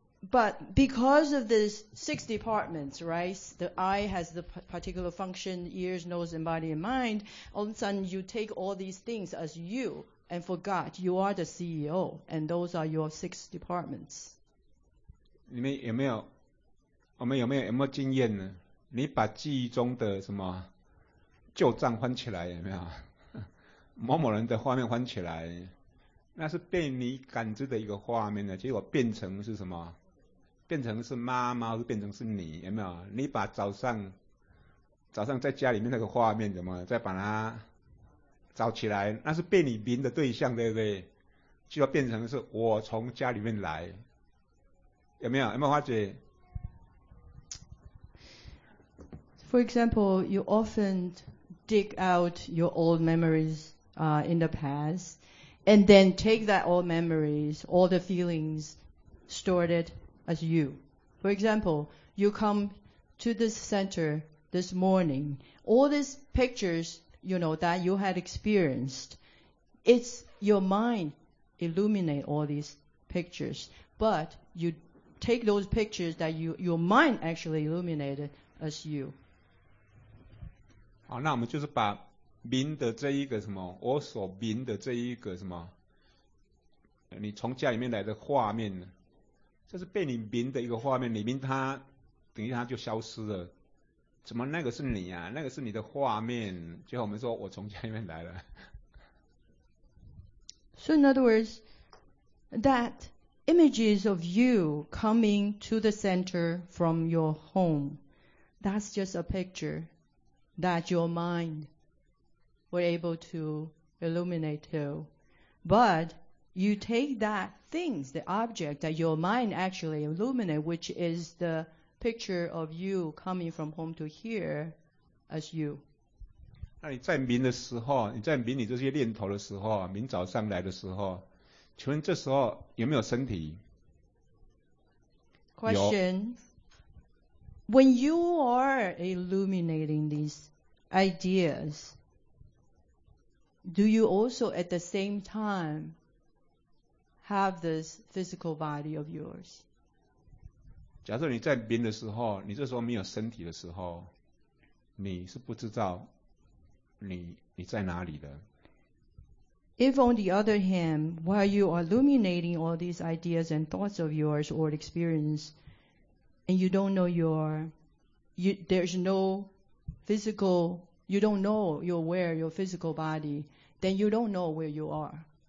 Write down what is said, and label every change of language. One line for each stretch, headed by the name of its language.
English: But because of this six departments, right, the eye has the particular function, ears, nose, and body and mind, all of a sudden you take all these things as you and forgot you are the CEO and those are your six departments.
Chinese: 你们有没有，我们有没有经验呢？你把记忆中的什么旧账翻起来，有没有某某人的画面翻起来，那是被你感知的一个画面呢，结果变成是什么，变成是妈妈，或变成是你，有没有？你把早上在家里面那个画面，怎么再把它找起来？那是被你明的对象，对不对？就要变成是我从家里面来，有没有？有没有花姐
English: ？For example, you often dig out your old memories, in the past, and then take that old memories, all the feelings, stored it. As you. For example, you come to this center this morning, all these pictures, you know, that you had experienced, it's your mind illuminate all these pictures, but you take those pictures that your mind actually illuminated as you.
Chinese: 好，那我们就是把明的这一个什么，我所明的这一个什么，你从家里面来的画面呢，这是被你明的一个画面，你明它等于它就消失了，怎么那个是你啊，那个是你的画面，最后我们说我从家里面来了。
English: So in other words, that images of you coming to the center from your home, that's just a picture that your mind were able to illuminate to, butYou take that things, the object that your mind actually illuminate, which is the picture of you coming from home to here as you.
Chinese: 那你在明的时候，你在明你这些念头的时候，明早上来的时候，请问这时候有没有身体？
English: Question. When you are illuminating these ideas, do you also at the same timeHave this physical body of yours.
Chinese: 假设你在明的时候，你这时候没有身体的时候，你是不知道你在哪里的。
English: If on the other hand, while you are illuminating all these ideas and thoughts of yours or experience, and you don't know there's no physical, you don't know you're where your physical body, then you don't know where you are.